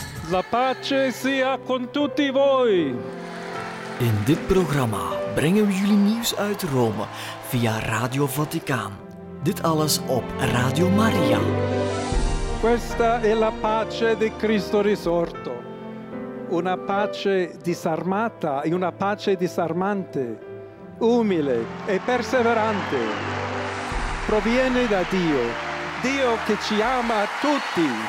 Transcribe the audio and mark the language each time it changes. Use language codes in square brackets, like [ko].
[it] La pace sia con tutti voi! [nl] In dit programma brengen we jullie nieuws uit Rome via Radio Vaticaan. Dit alles op Radio Maria. [it] Questa è la pace di Cristo risorto. Una pace disarmata e una pace disarmante, umile e perseverante. Proviene da Dio, Dio che ci ama a tutti.